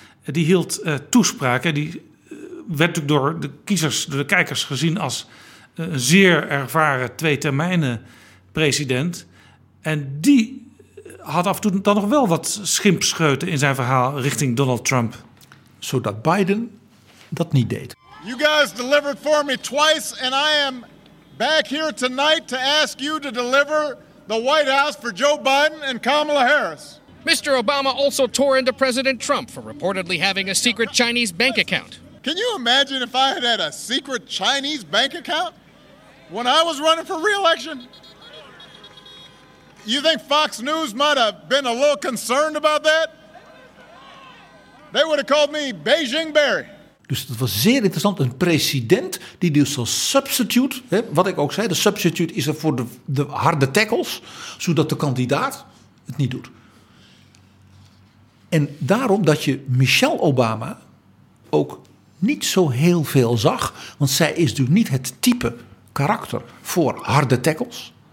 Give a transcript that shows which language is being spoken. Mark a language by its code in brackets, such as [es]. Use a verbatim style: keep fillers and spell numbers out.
[nl] Die hield uh, toespraken, die werd natuurlijk door de kiezers, door de kijkers gezien als een zeer ervaren twee termijnen president. En die had af en toe dan nog wel wat schimpscheuten in zijn verhaal richting Donald Trump. Zodat Biden dat niet deed. [en] You guys delivered for me twice and I am back here tonight to ask you to deliver the White House for Joe Biden and Kamala Harris. Mister Obama also tore into President Trump for reportedly having a secret Chinese bank account. Can you imagine if I had had a secret Chinese bank account when I was running for re-election? You think Fox News might have been a little concerned about that? They would have called me Beijing Barry. [nl] Dus dat was zeer interessant. Een president die dus als substitute, hè, wat ik ook zei, de substitute is er voor de, de harde tackles, zodat de kandidaat het niet doet. En daarom dat je Michelle Obama ook niet zo heel veel zag, want zij is natuurlijk niet het type karakter voor harde tackles.